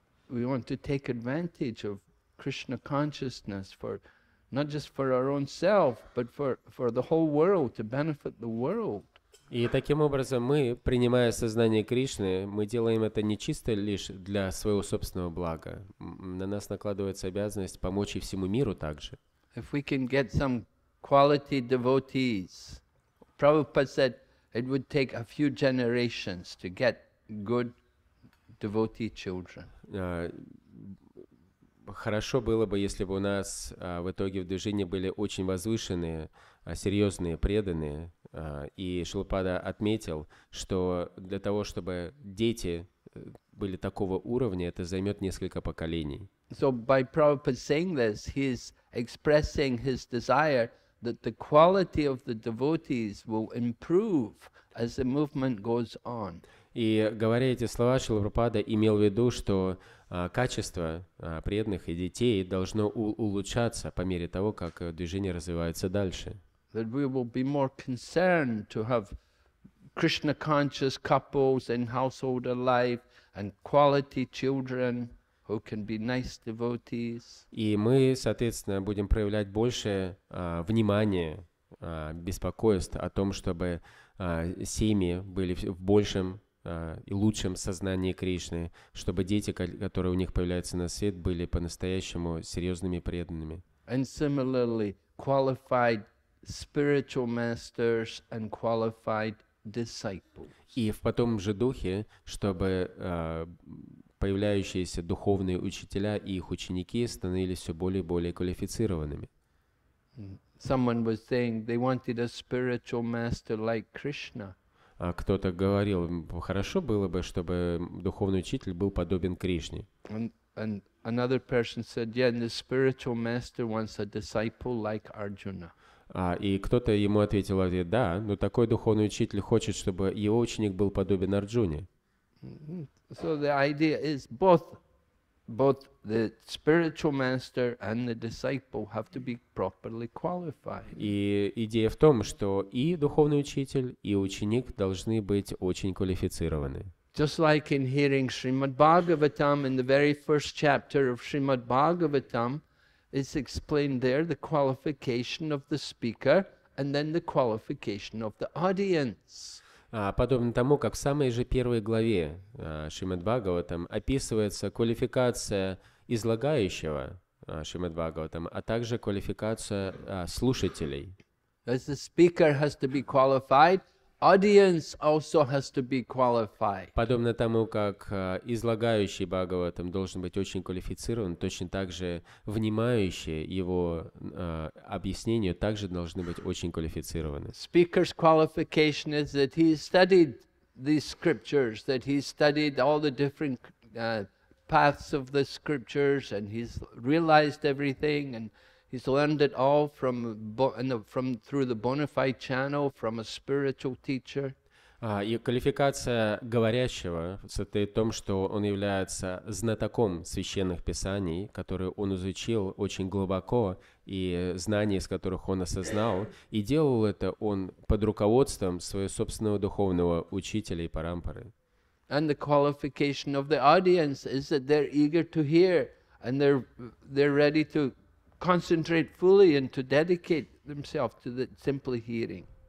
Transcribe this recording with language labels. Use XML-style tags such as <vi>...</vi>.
<en>We want to take advantage of Krishna consciousness for not just for our own self, but for the whole world, to benefit the world.</en> <ru>И таким образом мы, принимая сознание Кришны, мы делаем это не чисто лишь для своего собственного блага. На нас накладывается обязанность помочь и всему миру также.</ru> <en>If we can get some quality devotees, Prabhupada said it would take a few generations to get good devotee children.</en> <ru>Хорошо было бы, если бы у нас в итоге в движении были очень возвышенные, серьезные, преданные. И Шилпада отметил, что для того, чтобы дети были такого уровня, это займет несколько поколений.</ru> <en>So by Prabhupada saying this, he is expressing his desire that the quality of the devotees will improve as the movement goes on.</en> <ru>И говоря эти слова, Шрила Прабхупада имел в виду, что качество преданных и детей должно улучшаться по мере того, как движение развивается дальше.</ru> <en>That we will be more concerned to have Krishna-conscious couples in household life and quality children who can be nice devotees.</en> <ru>И мы, соответственно, будем проявлять больше внимания, беспокойств о том, чтобы семьи были в большем и лучшем сознании Кришны, чтобы дети, которые у них появляются на свет, были по-настоящему серьезными преданными.</ru> <en>And similarly, qualified spiritual masters and qualified disciples.</en> <ru>И в том же духе, чтобы появляющиеся духовные учителя и их ученики становились все более и более квалифицированными.</ru> <en>Someone was saying they wanted a spiritual master like Krishna.</en> <ru>А кто-то говорил, хорошо было бы, чтобы духовный учитель был подобен Кришне.</ru> <en>And another person said, yeah, and the spiritual master wants a disciple like Arjuna.</en> <ru>И кто-то ему ответил, да, но такой духовный учитель хочет, чтобы его ученик был подобен Арджуне.</ru> <en>So the idea is both the spiritual master and the disciple have to be properly qualified.</en> <ru>И идея в том, что и духовный учитель, и ученик должны быть очень квалифицированы.</ru> <en>Just like in hearing Srimad Bhagavatam, in the very first chapter of Srimad Bhagavatam, it's explained there the qualification of the speaker and then the qualification of the audience.</en> <ru>Подобно тому, как в самой же первой главе Шримад-Бхагаватам описывается квалификация излагающего Шримад-Бхагаватам, а также квалификация слушателей.</ru> <en>As the speaker has to be qualified, audience also has to be qualified.</en> <ru>Подобно тому, как излагающий Бхагаватам должен быть очень квалифицирован, точно так же внимающие его объяснению также должны быть очень квалифицированы.</ru> <en>Speaker's qualification is that he studied these scriptures, that he studied all the different paths of the scriptures, and he's realized everything, and he's learned it all through the bona fide channel from a spiritual teacher.</en> <ru>И квалификация говорящего состоит в том, что он является знатоком священных писаний, которые он изучил очень глубоко, и знания, из которых он осознал, и делал это он под руководством своего собственного духовного учителя и парампары.</ru> <en>And the qualification of the audience is that they're eager to hear, and they're ready to concentrate fully and to dedicate themselves to the simply hearing.</en>